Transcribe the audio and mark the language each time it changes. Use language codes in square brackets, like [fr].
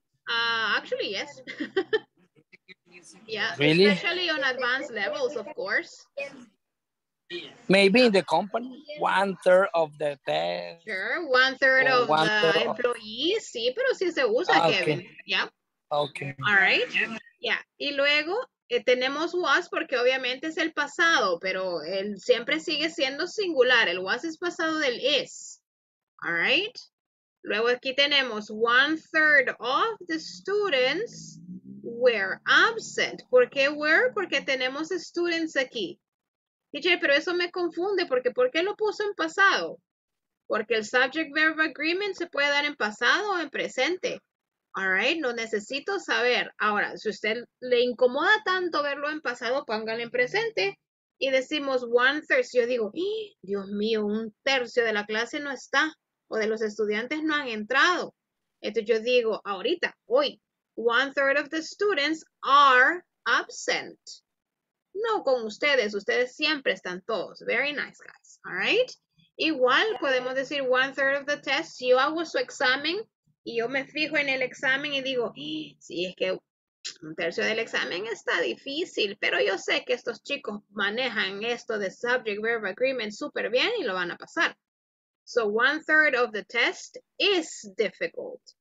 [en] Actually, yes. Yeah, really? Especially on advanced levels, of course. Maybe in the company, one third of the test. Sure, one third of one the third employees. [es] Of... Sí, pero sí se usa, okay. Kevin. Yeah. [en] Okay. All right. Yeah. [es] Y luego tenemos was porque obviamente es el pasado, pero él siempre sigue siendo singular. El was es pasado del is. [en] All right. [es] Luego aquí tenemos [en] one third of the students were absent. [es] ¿Por qué were? Porque tenemos students aquí. Teacher, pero eso me confunde porque ¿por qué lo puso en pasado? Porque el subject verb agreement se puede dar en pasado o en presente. [en] All right, [es] no necesito saber. Ahora, si usted le incomoda tanto verlo en pasado, póngale en presente. Y decimos [en] one third. [es] Yo digo, Dios mío, un tercio de la clase no está. O de los estudiantes no han entrado. Entonces yo digo, ahorita, hoy, [en] one third of the students are absent. [es] No con ustedes, ustedes siempre están todos. [en] Very nice, guys. All right. [es] Igual podemos decir [en] one third of the test. [es] Si yo hago su examen, y yo me fijo en el examen y digo, sí, es que un tercio del examen está difícil, pero yo sé que estos chicos manejan esto de subject verb agreement súper bien y lo van a pasar. [en] So one third of the test is difficult.